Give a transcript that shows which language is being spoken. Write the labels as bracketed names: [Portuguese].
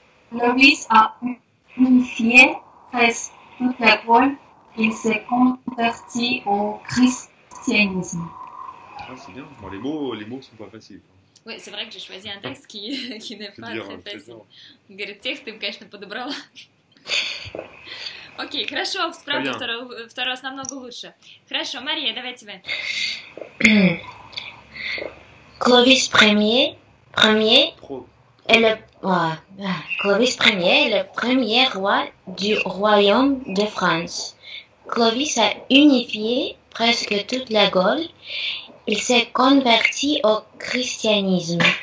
[French] Clovis a unifié presque toute la Gaule. Il s'est converti au christianisme. Ah, c'est bien. Bon, les mots sont pas faciles. Oui, c'est vrai que j'ai choisi un texte qui n'est pas dire, très facile. Le texte, [Russian] конечно, подобрала. Окей, хорошо, справа второй раз намного лучше. Хорошо, Мария, давай тебе. [French] Clovis premier est le Clovis premier est le premier roi du royaume de France. Clovis a unifié presque toute la Gaule. Il s'est converti au christianisme.